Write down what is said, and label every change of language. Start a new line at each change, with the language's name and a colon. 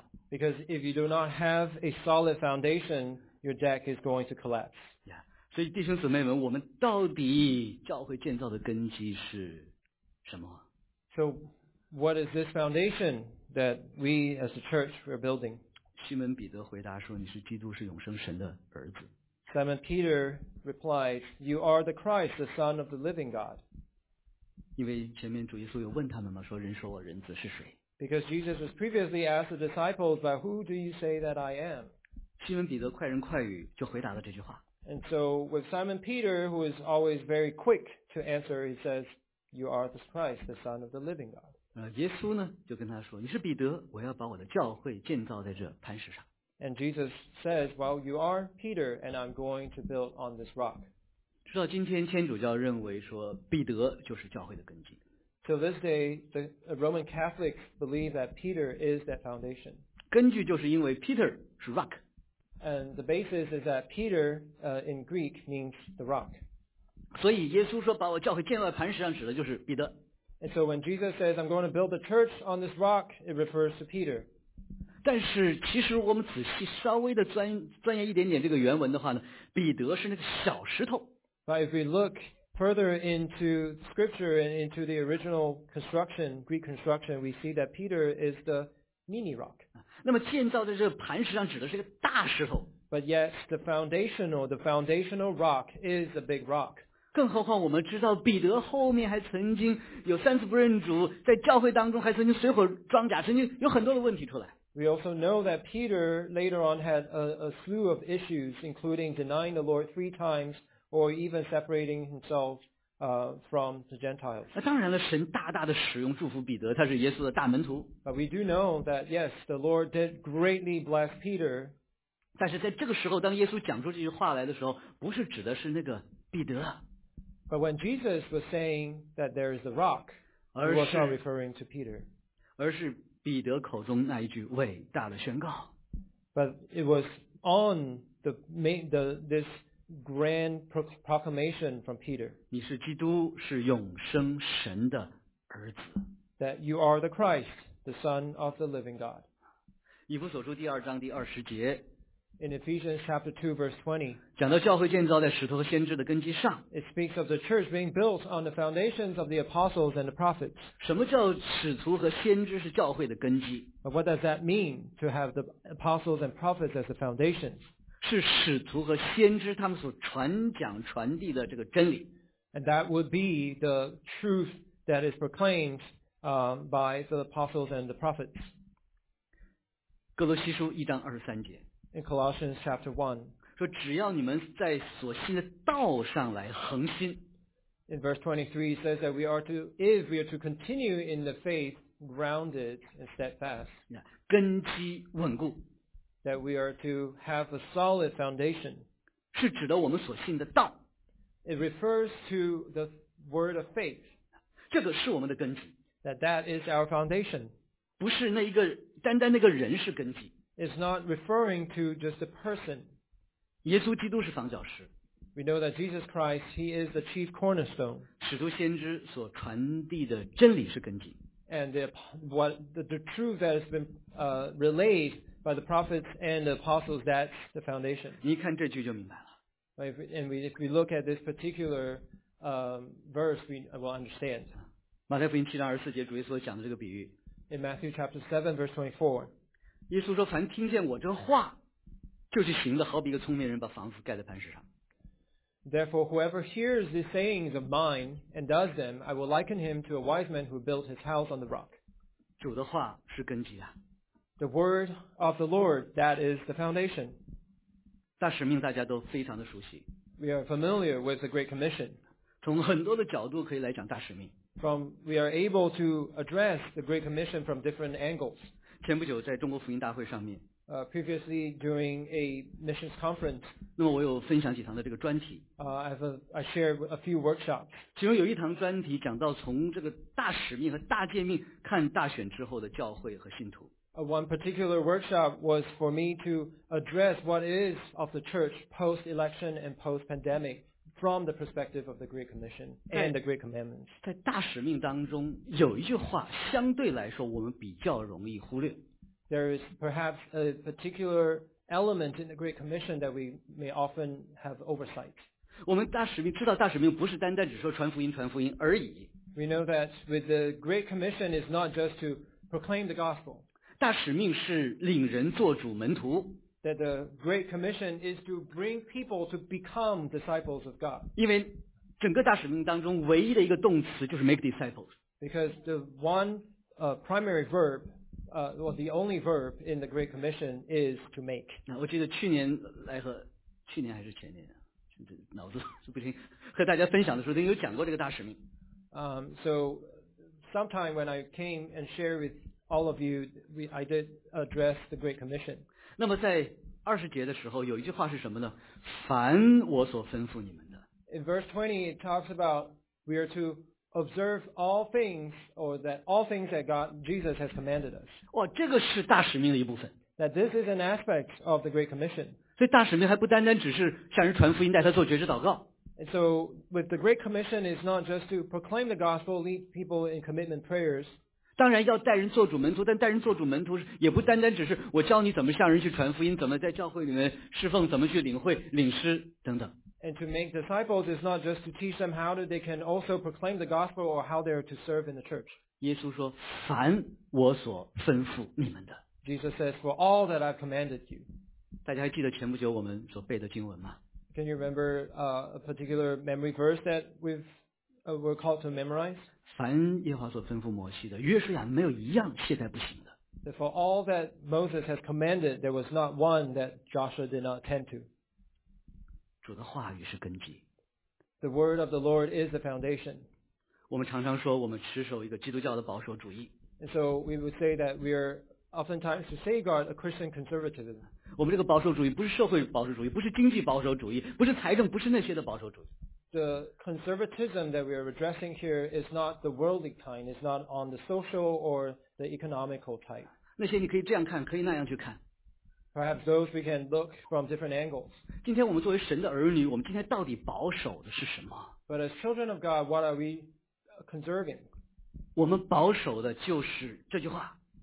English: Because if you do not have a solid foundation, your deck is going to collapse. Yeah.
Chinese: 所以弟兄姊妹们，我们到底教会建造的根基是什么？
English: So what is this foundation that we as a church are building?
Chinese: 西门彼得回答说，你是基督，是永生神的儿子。
English: Simon Peter replied, you are the Christ, the son of the living God.
Chinese: 因为前面主耶稣有问他们嘛，说人说我人子是谁。
English: Because Jesus was previously asked the disciples, "But who do you say that I am?"
Chinese: 西门彼得快人快语就回答了这句话。
English: And so with Simon Peter, who is always very quick to answer, he says, "You are the Christ, the Son of the Living God."
Chinese: 耶稣呢就跟他说，你是彼得，我要把我的教会建造在这磐石上。
English: And Jesus says, "Well, you are Peter, and I'm going to build on this rock."
Chinese: 直到今天，天主教认为说彼得就是教会的根基。
English: So this day, the Roman Catholics believe that Peter is that foundation.
Chinese: 根据就是因为 Peter 是 rock.
English: And the basis is that Peter, in Greek means the rock.
Chinese: 所以耶稣说把我教会建在磐石上，指的就是彼得。
English: And so when Jesus says I'm going to build a church on this rock, it refers to Peter.
Chinese: 但是其实我们仔细稍微的钻研一点点这个原文的话呢，彼得是那个小石头。
English: But if we look further into scripture and into the original construction, Greek construction, we see that Peter is the mini rock.
Chinese: 那么建造在这个磐石上指的是个大石头。
English: But yet the foundational rock is a big rock.
Chinese: 更何况我们知道彼得后面还曾经有三次不认主，在教会当中还曾经随手装甲，曾经有很多的问题出来。
English: We also know that Peter later on had a slew of issues, including denying the Lord 3 times. Or even separating himself from the Gentiles.
Chinese: 当然了，神大大的使用祝福彼得，他是耶稣的大门徒。
English: But we do know that yes, the Lord did greatly bless Peter.
Chinese: 但是在这个时候，当耶稣讲出这句话来的时候，不是指的是那个彼得。
English: But when Jesus was saying that there is the rock, he was not referring to Peter.
Chinese: 而是彼得口中那一句伟大的宣告。
English: But it was on this. Grand proclamation from Peter.
Chinese: 你是基督，是永生神的儿子。
English: That you are the Christ, the Son of the Living God.
Chinese: 以弗所书第二章第二十节。
English: In Ephesians chapter 2 verse 20.
Chinese: 讲到教会建造在使徒和先知的根基上。
English: It speaks of the church being built on the foundations of the apostles and the prophets.
Chinese: 什么叫使徒和先知是教会的根基？
English: But what does that mean to have the apostles and prophets as the foundations?
Chinese: 是使徒和先知他们所传讲传递的这个真理。
English: And that would be the truth that is proclaimed by the apostles and the prophets.
Chinese: 哥罗西书一章二十三节。
English: In Colossians chapter 1.
Chinese: 说只要你们在所信的道上来恒心。
English: In verse 23 says that if we are to continue in the faith grounded and steadfast.
Chinese: 根基稳固。
English: That we are to have a solid foundation.
Chinese: 是指的我们所信的道。
English: It refers to the word of faith.
Chinese: 这个是我们的根基。
English: That is our foundation.
Chinese: 不是那一个单单那个人是根基。
English: It's not referring to just a person.
Chinese: 耶稣基督是房角石。
English: We know that Jesus Christ, he is the chief cornerstone.
Chinese: 使徒先知所传递的真理是根基。
English: And the truth that has been relayed. By the prophets and the apostles, that's the foundation.
Chinese: 你看这句就明白了。
English: And if we look at this particular verse we will understand.
Chinese: 马太福音七章二十四节，主耶稣讲的这个比喻。
English: In Matthew chapter 7 verse 24,
Chinese: 耶稣说：“凡听见我这话，就去行的，好比一个聪明人把房子盖在磐石上。”
English: Therefore, whoever hears these sayings of mine and does them, I will liken him to a wise man who built his house on the rock.
Chinese: 主的话是根基啊。
English: The word of the Lord, that is the foundation.
Chinese: 大使命大家都非常的熟悉。
English: We are familiar with the Great Commission.
Chinese: 从很多的角度可以来讲大使命。
English: From, we are able to address the Great Commission from different angles.
Chinese: 前不久在中国福音大会上面。
English: Previously during a missions conference.
Chinese: 那么我有分享几堂的这个专题。
English: I shared a few workshops.
Chinese: 其中有一堂专题讲到从这个大使命和大诫命看大选之后的教会和信徒。
English: One particular workshop was for me to address what is of the church post-election and post-pandemic from the perspective of the Great Commission and the Great Commandments.
Chinese: 在大使命当中有一句话相对来说我们比较容易忽略。
English: There is perhaps a particular element in the Great Commission that we may often have oversight.
Chinese: 我们大使命知道大使命不是单单只说传福音传福音而已。
English: We know that with the Great Commission is not just to proclaim the gospel.
Chinese: 大使命是领人做主门徒。
English: That the Great Commission is to bring people to become disciples of God.
Chinese: 因为整个大使命当中唯一的一个动词就是
English: make disciples. Because the one primary verb, well, the only verb in the Great Commission is to make.
Chinese: 那我记得去年来和去年还是前年，脑子不行，和大家分享的时候，曾经有讲过这个大使命。
English: So sometime when I came and shared with all of you, I did address the Great Commission.
Chinese: 那么在二十节的时候有一句话是什么呢？凡我所吩咐你们的。
English: In verse 20, it talks about we are to observe all things, or that all things that God, Jesus has commanded us.
Chinese: 哇，这个是大使命的一部分。
English: That this is an aspect of the Great Commission.
Chinese: 所以大使命还不单单只是向人传福音，带他做决志祷告。
English: And so, with the Great Commission is not just to proclaim the gospel, lead people in commitment prayers,
Chinese: 当然要带人做主门徒，但带人做主门徒也不单单只是我教你怎么向人去传福音，怎么在教会里面侍奉，怎么去领会领师等等。
English: And to make disciples is not just to teach them how they can also proclaim the gospel or how they are to serve in the church.
Chinese: 耶稣说：“凡我所吩咐你们的。”
English: Jesus says, "For all that I've commanded you."
Chinese: 大家还记得前不久我们所背的经文吗
English: ？Can you remember a particular memory verse that we're called to memorize?
Chinese: 凡耶和华所吩咐摩西的，约书亚没有一样懈怠不行的。
English: For all that Moses has commanded, there was not one that Joshua did not attend to.
Chinese: 主的话语是根基。
English: The word of the Lord is the foundation.
Chinese: 我们常常说我们持守一个基督教的保守主义。
English: And so we would say that we are oftentimes to safeguard a Christian conservatism.
Chinese: 我们这个保守主义不是社会保守主义，不是经济保守主义，不是财政，不是那些的保守主义。
English: The conservatism that we are addressing here is not the worldly kind. It's not on the social or the economical type.
Chinese: 那些你可以这样看，可以那样去看。
English: Perhaps those we can look from different angles.
Chinese: 今天我们作为神的儿女，我们今天到底保守的是什么
English: ？But as children of God, what are we conserving?
Chinese: 我们保守的就是这句话。